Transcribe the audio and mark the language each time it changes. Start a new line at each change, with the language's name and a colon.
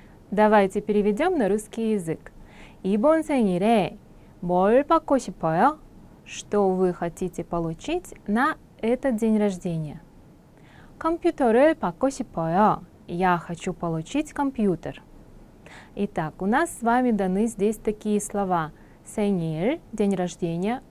Russian: Давайте переведем на русский язык.
Korean: 이번 생일에 뭘 받고 싶어요?
Russian: Что вы хотите получить на этот день рождения?
Korean: 컴퓨터를 받고 싶어요.
Russian: Я хочу получить компьютер. Итак, у нас с вами даны здесь такие слова. 생일, день рождения.